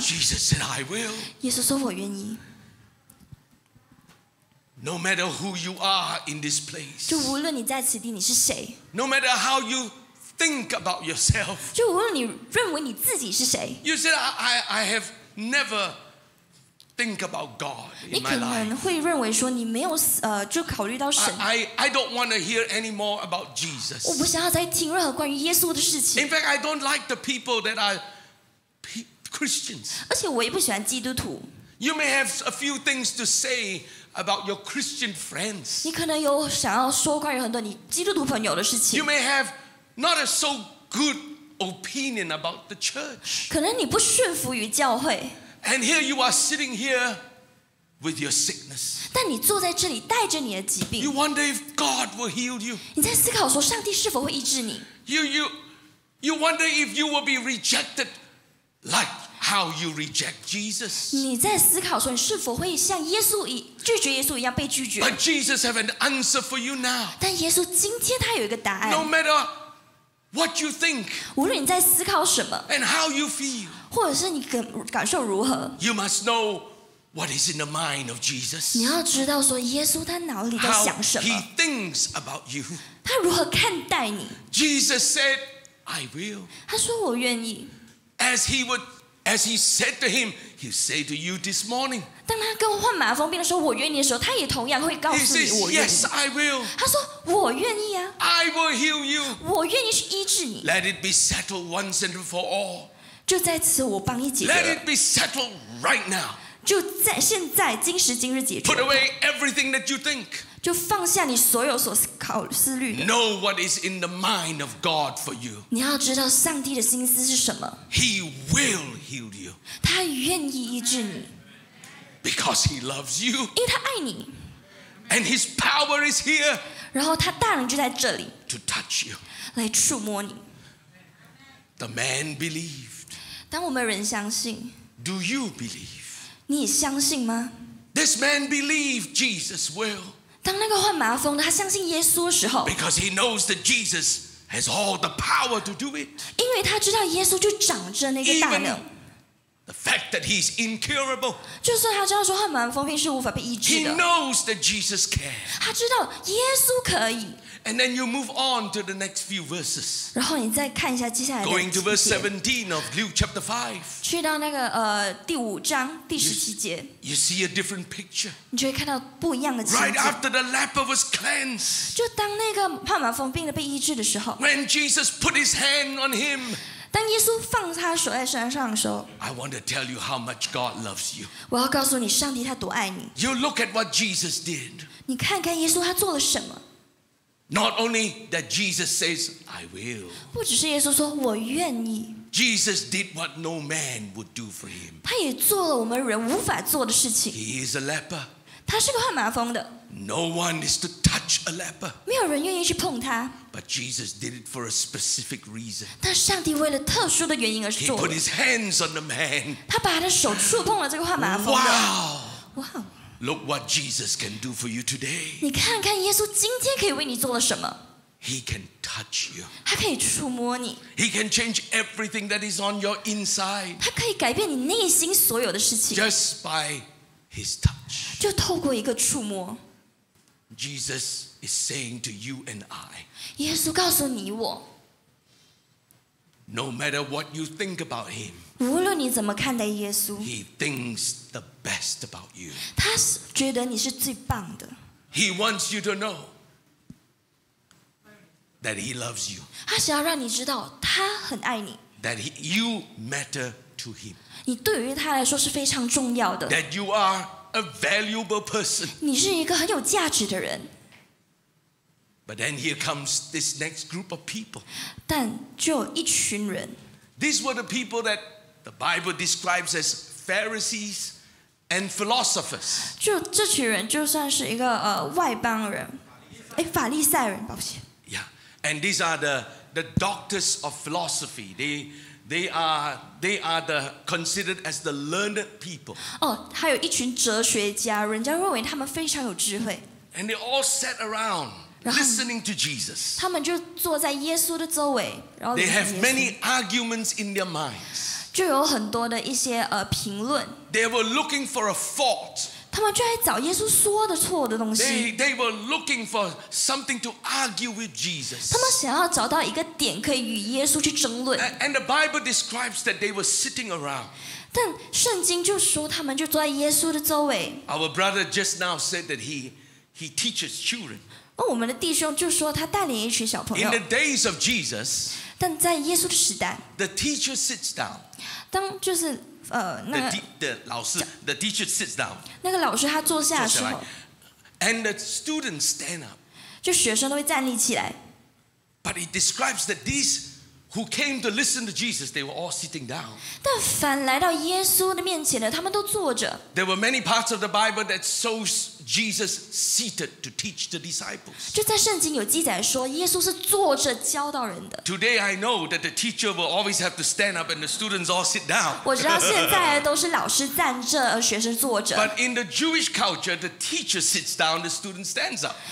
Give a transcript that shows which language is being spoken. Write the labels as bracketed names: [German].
[English] ？Jesus said, "I will." [Chinese] 耶稣说我愿意。 [English] No matter who you are in this place, [Chinese] 就无论你在此地你是谁。 [English] No matter how you think about yourself, [Chinese] 就无论你认为你自己是谁。 [English] You said I have never think about God in my life. [Chinese] 你可能会认为说你没有就考虑到神。 [English] I don't want to hear any more about Jesus. [Chinese] 我不想要再听任何关于耶稣的事情。 [English] In fact, I don't like the people that are Christians. [Chinese] 而且我也不喜欢基督徒。 [English] You may have a few things to say. About your Christian friends, [Chinese] 你可能有想要说关于很多你基督徒朋友的事情。 [English] You may have not a so good opinion about the church. [Chinese] 可能你不顺服于教会。 [English] And here you are sitting here with your sickness. [Chinese] 但你坐在这里带着你的疾病。 [English] You wonder if God will heal you. [Chinese] 你在思考说上帝是否会医治你。 [English] You wonder if you will be rejected like. How you reject Jesus? [Chinese] 你在思考说你是否会像耶稣一拒绝耶稣一样被拒绝 [English] ？But Jesus have an answer for you now. [Chinese] 但耶稣今天他有一个答案。 [English] No matter what you think, [Chinese] 无论你在思考什么 [English] ，and how you feel, [Chinese] 或者是你感受如何 [English] ，you must know what is in the mind of Jesus. [Chinese] 你要知道说耶稣他脑里在想什么 [English] ？How he thinks about you. [Chinese] 他如何看待你 [English] ？Jesus said, "I will." [Chinese] 他说我愿意。 [English] As he would. As he said to him, he said to you this morning. [Chinese] 当他跟患麻风病的时候，我愿意的时候，他也同样会告诉你我愿意。 [English] He says, "Yes, I will." [Chinese] 他说我愿意啊。 [English] I will heal you. [Chinese] 我愿意去医治你。 [English] Let it be settled once and for all. [Chinese] 就在此，我帮你解决。 [English] Let it be settled right now. [Chinese] 就在现在，今时今日解决。 [English] Put away everything that you think. [Chinese] 就放下你所有所考思虑的。 [English] Know what is in the mind of God for you. [Chinese] 你要知道上帝的心思是什么。 [English] He will. Heal you. [Chinese] 他愿意医治你 [English] ，because he loves you. [Chinese] 因为他爱你 [English] ，and his power is here. [Chinese] 然后他大能就在这里 [English] ，to touch you. [Chinese] 来触摸你。 [English] The man believed. [Chinese] 当我们人相信 [English] ，do you believe? [Chinese] 你相信吗 [English] ？This man believed Jesus will. [Chinese] 当那个患麻风的他相信耶稣的时候 [English] ，because he knows that Jesus. Has all the power to do it. [Chinese] 因为他知道耶稣就掌着那个大能 [English] Even The fact that he is incurable. [Chinese] 就算他知道说他蛮疯病是无法被医治的。 [English] He knows that Jesus can. [Chinese] 他知道耶稣可以。 [English] And then you move on to the next few verses. [Chinese] 然后你再看一下接下来的。 [English] Going to verse 17 of Luke chapter 5. [Chinese] 去到那个第五章第十七节。 [English] You see a different picture. [Chinese] 你就会看到不一样的情景。 [English] Right after the leper was cleansed. [Chinese] 就当那个帕马疯病的被医治的时候。 [English] When Jesus put his hand on him. [Chinese] 当耶稣放他手在身上的时候 [English] ，I want to tell you how much God loves you。 [Chinese] 我要告诉你，上帝他多爱你。 [English] You look at what Jesus did。 [Chinese] 你看看耶稣他做了什么 [English] ？Not only that Jesus says I will。 [Chinese] 不只是耶稣说我愿意。 [English] Jesus did what no man would do for him。 [Chinese] 他也做了我们人无法做的事情。 [English] He is a leper。 [Chinese] 他是个患麻风的。 [English] No one is to touch a leper。 [Chinese] 没有人愿意去碰他。 [English] But Jesus did it for a specific reason. [Chinese] 但上帝为了特殊的原因而做。 [English] He put his hands on the man. [Chinese] 他把他的手触碰了这个患麻风的。 [English] Wow! Wow! Look what Jesus can do for you today. [Chinese] 你看看耶稣今天可以为你做了什么。 [English] He can touch you. [Chinese] 他可以触摸你。 [English] He can change everything that is on your inside. [Chinese] 他可以改变你内心所有的事情。 [English] Just by his touch. [Chinese] 就透过一个触摸。 [English] Jesus is saying to you and I. [Chinese] 耶稣告诉你我。 [English] No matter what you think about him. [Chinese] 无论你怎么看待耶稣。 [English] He thinks the best about you. [Chinese] 他觉得你是最棒的。 [English] He wants you to know. That he loves you. [Chinese] 他想要让你知道他很爱你。 [English] That you matter to him. [Chinese] 你对于他来说是非常重要的。 [English] That you are. A valuable person. [Chinese] 你是一个很有价值的人。 [English] But then here comes this next group of people. [Chinese] 但就有一群人。 [English] These were the people that the Bible describes as Pharisees and philosophers. [Chinese] 就这群人就算是一个外邦人，哎，法利赛人，抱歉。 [English] Yeah, and these are the doctors of philosophy. They are the considered as the learned people. [Chinese] 哦，还有一群哲学家，人家认为他们非常有智慧。 [English] And they all sat around listening to Jesus. [Chinese] 他们就坐在耶稣的周围，然后。 [English] They have many arguments in their minds. [Chinese] 就有很多的一些评论。 [English] They were looking for a fault. [Chinese] 他们就在找耶稣说的错的东西。 [English] They were looking for something to argue with Jesus. [Chinese] 他们想要找到一个点可以与耶稣去争论。 [English] And the Bible describes that they were sitting around. [Chinese] 但圣经就说他们就坐在耶稣的周围。 [English] Our brother just now said that he teaches children. [Chinese] 我们的弟兄就说他带领一群小朋友。 [English] In the days of Jesus, [Chinese] 但在耶稣的时代 ， [English] the teacher sits down. [Chinese] 当就是。 [English] The teacher sits down. [Chinese] 那个老师他坐下的时候 [English] ，and the students stand up. [Chinese] 就学生都会站立起来。 [English] But it describes that these who came to listen to Jesus, they were all sitting down. [Chinese] 但凡来到耶稣的面前的，他们都坐着。 [English] There were many parts of the Bible that shows Jesus seated to teach the disciples. [Chinese] 就在圣经有记载说，耶稣是坐着教导人的。 [English] Today I know that the teacher will always have to stand up and the students all sit down. [Chinese] 我知道现在都是老师站着，而学生坐着。 [English] But in the Jewish culture, the teacher sits down, the student stands up.